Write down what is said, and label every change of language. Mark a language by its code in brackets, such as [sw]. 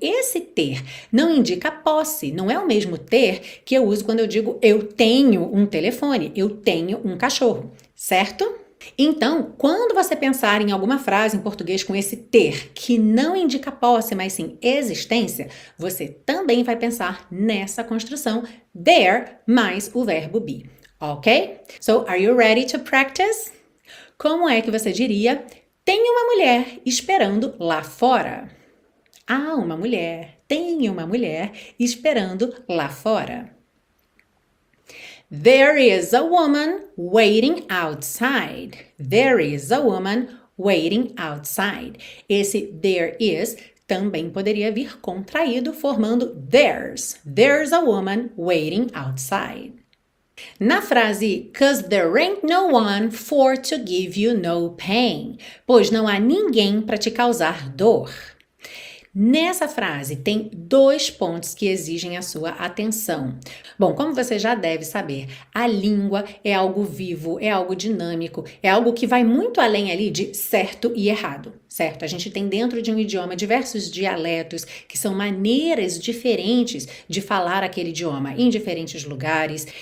[pt] Esse ter não indica posse, não é o mesmo ter que eu uso quando eu digo eu tenho um telefone, eu tenho um cachorro, certo? Então, quando você pensar em alguma frase em português com esse ter que não indica posse, mas sim existência, você também vai pensar nessa construção there mais o verbo be, ok? [en] So, are you ready to practice? [pt] Como é que você diria? Tem uma mulher esperando lá fora. Há uma mulher. Tem uma mulher esperando lá fora. [en] There is a woman waiting outside. There is a woman waiting outside. [pt] Esse [en] there is [pt] também poderia vir contraído, formando [en] there's. There's a woman waiting outside. [pt] Na frase, [en] 'cause there ain't no one for to give you no pain, [pt] pois não há ninguém para te causar dor. Nessa frase tem dois pontos que exigem a sua atenção. Bom, como você já deve saber, a língua é algo vivo, é algo dinâmico, é algo que vai muito além ali de certo e errado, certo? A gente tem dentro de um idioma diversos dialetos, que são maneiras diferentes de falar aquele idioma em diferentes lugares.